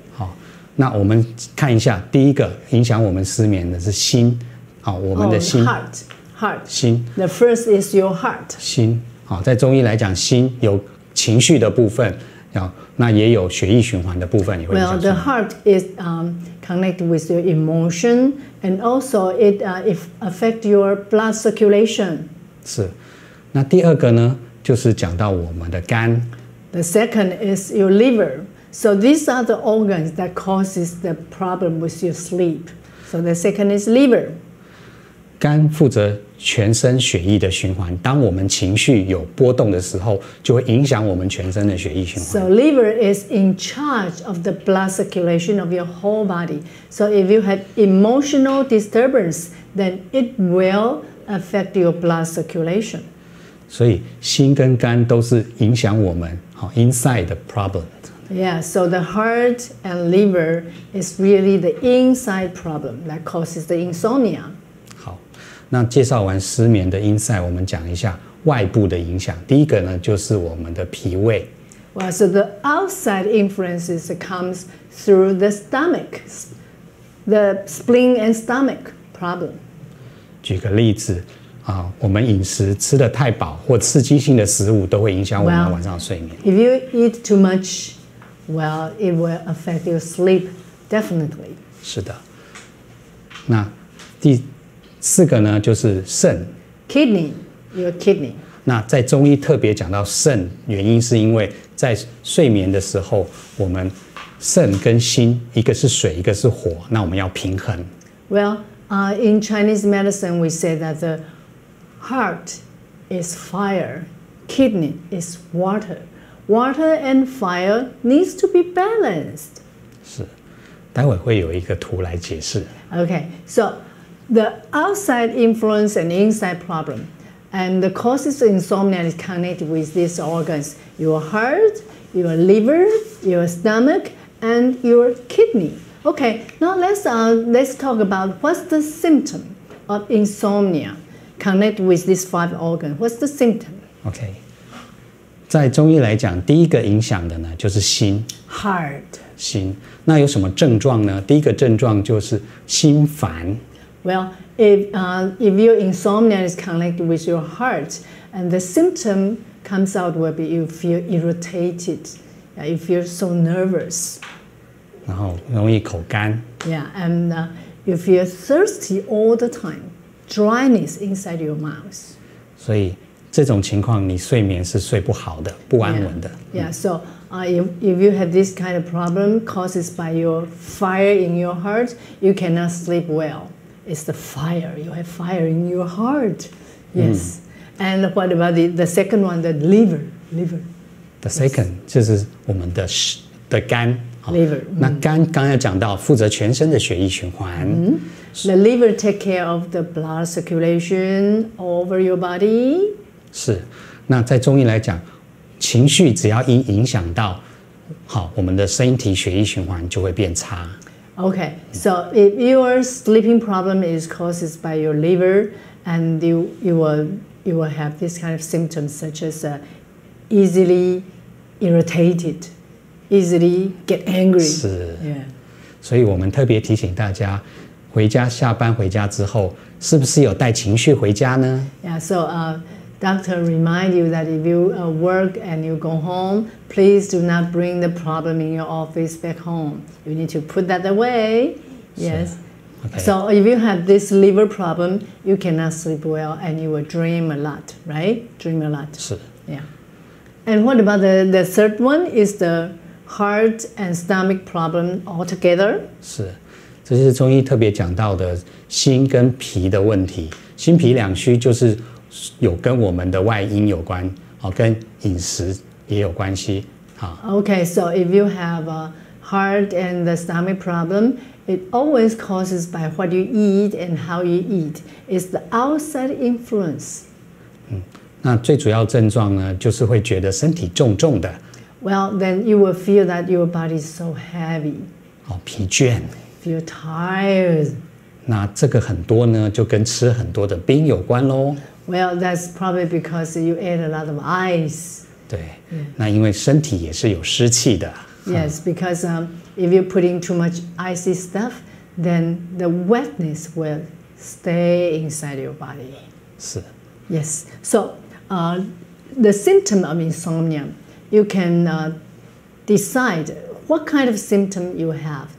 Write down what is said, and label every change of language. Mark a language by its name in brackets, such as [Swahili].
[Chinese] 好，那我们看一下第一个影响我们失眠的是心。好，我们的心。 [English] Oh, heart. Heart. [Chinese] 心。 [English] The first is your heart. [Chinese] 心。好，在中医来讲，心有情绪的部分，那也有血液循环的部分。 [English] Well, the heart is connected with your emotion, and also it affect your blood circulation. [Chinese] 是。那第二个呢，就是讲到我们的肝。 [English] The second is your liver. So these are the organs that causes the problem with your sleep. So the second is liver. [Chinese] 肝负责全身血液的循环，当我们情绪有波动的时候，就会影响我们全身的血液循环。 [English] So liver is in charge of the blood circulation of your whole body. So if you have emotional disturbance, then it will affect your blood circulation. [Chinese] 所以心跟肝都是影响我们 [English] inside the problem. Yeah, so the heart and liver is really the inside problem that causes the insomnia. [Chinese] 那介绍完失眠的 [English] inside， [Chinese] 我们讲一下外部的影响。第一个呢，就是我们的脾胃。 [English] Well, so the outside influences comes through the stomach, the spleen and stomach problem. [Chinese] 举个例子啊，我们饮食吃得太饱或刺激性的食物，都会影响我们晚上睡眠。 [English] Well, if you eat too much, well, it will affect your sleep definitely. [Chinese] 是的。那第四个呢，就是肾 [English] ，kidney， your kidney。 [Chinese] 那在中医特别讲到肾，原因是因为在睡眠的时候，我们肾跟心，一个是水，一个是火，那我们要平衡。 [English] Well, in Chinese medicine, we say that the heart is fire, kidney is water. Water and fire needs to be balanced. [Chinese] 是，待会会有一个图来解释。 [English] Okay, so. The outside influence and inside problem, and the causes of insomnia is connected with these organs: your heart, your liver, your stomach, and your kidney. Okay, now let's talk about what's the symptom of insomnia connected with these five organs. What's the symptom? [Chinese] Okay, 在中医来讲，第一个影响的呢就是心 [English] ，heart， [Chinese] 心。那有什么症状呢？第一个症状就是心烦。 [English] Well, if your insomnia is connected with your heart, and the symptom comes out will be you feel irritated, you feel so nervous. [Chinese] 然后容易口干。 [English] Yeah, and you feel thirsty all the time, dryness inside your mouth. [Chinese] 所以这种情况你睡眠是睡不好的，不安稳的。 [English] Yeah, yeah. So if you have this kind of problem caused by your fire in your heart, you cannot sleep well. It's the fire. You have fire in your heart. Yes. And what about the second one, the liver? Liver. The second, [Chinese] 就是我们的肝。 [English] Liver. [Chinese] 那肝刚才讲到负责全身的血液循环。 [English] The liver take care of the blood circulation over your body. [Chinese] 是。那在中医来讲，情绪只要影响到，好，我们的身体血液循环就会变差。 [English] Okay, so if your sleeping problem is caused by your liver, and you will have this kind of symptoms such as easily irritated, easily get angry. [Chinese] 是。 [English] Yeah. [Chinese] 所以我们特别提醒大家，回家下班回家之后，是不是有带情绪回家呢？ [English] Yeah. So, doctor, remind you that if you work and you go home, please do not bring the problem in your office back home. You need to put that away. Yes. So, okay. So if you have this liver problem, you cannot sleep well and you will dream a lot, right? Dream a lot. [Chinese] 是。 [English] Yeah. And what about the third one? Is the heart and stomach problem altogether? [Chinese] 是。这是中医特别讲到的心跟脾的问题。心脾两虚就是有跟我们的外因有关，跟饮食也有关系。 [English] Okay, so if you have a heart and the stomach problem, it always causes by what you eat and how you eat. It's the outside influence. [Chinese] 那最主要症状呢，就是会觉得身体重重的。 [English] Well, then you will feel that your body is so heavy. [Chinese] 疲倦。 [English] Feel tired. [Chinese] 那这个很多呢，就跟吃很多的冰有关咯。 [English] Well, that's probably because you ate a lot of ice. [Chinese] 对，那因为身体也是有湿气的。 [English] Yes, because if you put in too much icy stuff, then the wetness will stay inside your body. [Chinese] 是。 [English] Yes, so the symptom of insomnia, you can decide what kind of symptom you have.